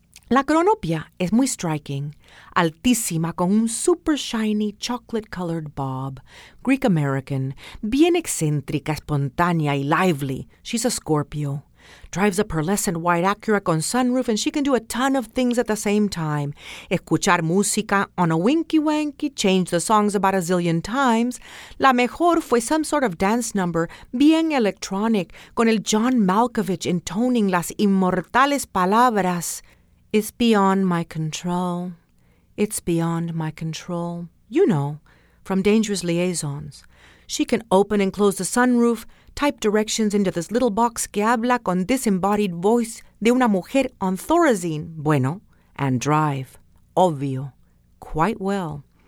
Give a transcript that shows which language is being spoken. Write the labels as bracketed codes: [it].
[es] La Cronopia es muy striking, altísima, con un [en] super shiny chocolate-colored bob, [es] Greek-American, bien excéntrica, espontánea y lively. [en] She's a Scorpio. Drives a pearlescent white Acura con sunroof, and she can do a ton of things at the same time. [es] Escuchar música [en] on a winky-wanky, change the songs about a zillion times. [es] La mejor fue [en] some sort of dance number, [es] bien electronic, con el John Malkovich intoning las inmortales palabras. [en] It's beyond my control. It's beyond my control. You know, from Dangerous Liaisons. She can open and close the sunroof, type directions into this little box [es] que habla con [en] disembodied voice [es] de una mujer [en] on Thorazine, bueno, and drive. Obvio. Quite well.